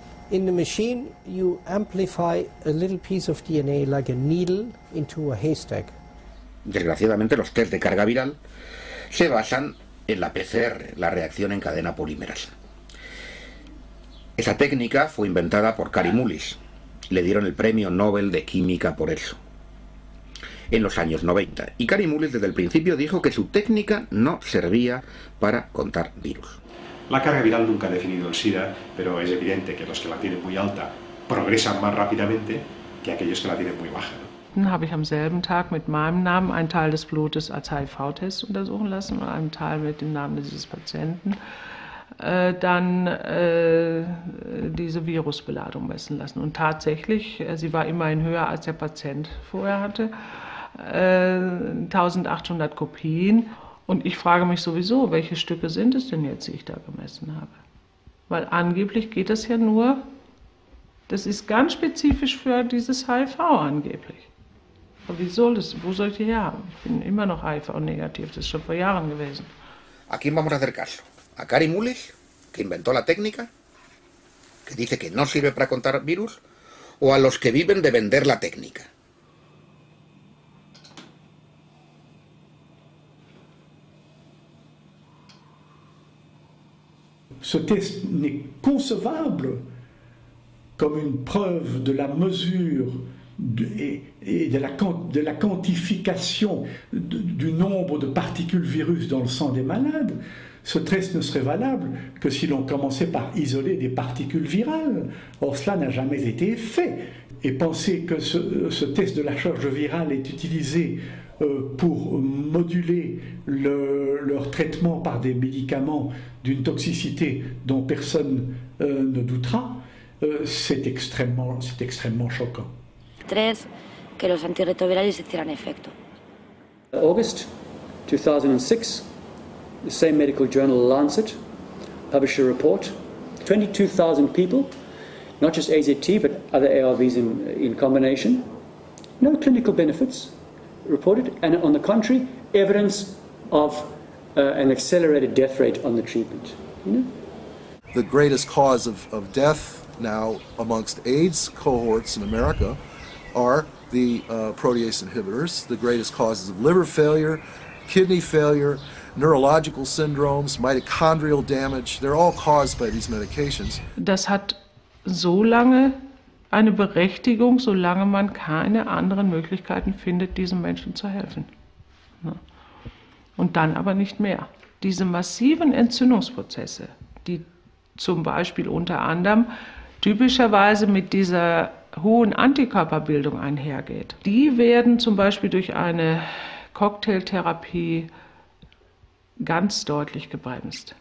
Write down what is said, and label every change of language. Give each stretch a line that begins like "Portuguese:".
English: In the machine, you amplify a little piece of DNA like a needle into a haystack.
Spanish: Desgraciadamente, los test de carga viral se basan en la PCR, la reacción en cadena polimerasa. Esa técnica fue inventada por Cary Mullis. Le dieron el premio Nobel de Química por eso, en los años 90. Y Cary Mullis desde el principio dijo que su técnica no servía para contar virus. La carga viral nunca ha definido el SIDA, pero es evidente que los que la tienen muy alta progresan más rápidamente que aquellos que la tienen muy baja, ¿no?
German: Habe ich am selben Tag mit meinem Namen einen Teil des Blutes als HIV-Test untersuchen lassen und einen Teil mit dem Namen dieses Patienten. dann diese Virusbeladung messen lassen. Und tatsächlich, sie war immerhin höher als der Patient vorher hatte, 1800 Kopien. Und ich frage mich sowieso, welche Stücke sind es denn jetzt, die ich da gemessen habe? Weil angeblich geht das ja nur, das ist ganz spezifisch für dieses HIV angeblich. Aber wie soll das, wo soll ich die her haben? Ich bin immer noch HIV negativ, das ist schon vor Jahren gewesen.
Spanish: ¿A quién vamos a hacer caso? ¿A Gary Mullis, que inventó la técnica, que dice que no sirve para contar virus, o a los que viven de vender la técnica?
French: C'était n'est concevable comme une preuve de la mesure de la quantification du nombre de particules virus dans le sang des malades. Ce test ne serait valable que si l'on commençait par isoler des particules virales. Or, cela n'a jamais été fait. Et penser que ce test de la charge virale est utilisé pour moduler leur traitement par des médicaments d'une toxicité dont personne ne doutera, c'est extrêmement choquant.
Spanish: 3, que los antirretrovirales hicieran efecto.
English: August 2006, the same medical journal Lancet published a report. 22,000 people, not just AZT but other ARVs in combination, no clinical benefits reported, and on the contrary, evidence of an accelerated death rate on the treatment. The greatest cause of death now amongst AIDS cohorts in America are the protease inhibitors, the greatest causes of liver failure, kidney failure, neurological syndromes, mitochondrial damage. They're all caused by these medications.
German: Das hat so lange eine Berechtigung, solange man keine anderen Möglichkeiten findet, diesen Menschen zu helfen. Und dann aber nicht mehr. Diese massiven Entzündungsprozesse, die zum Beispiel unter anderem typischerweise mit dieser hohen Antikörperbildung einhergeht, die werden zum Beispiel durch eine Cocktailtherapie ganz deutlich gebremst.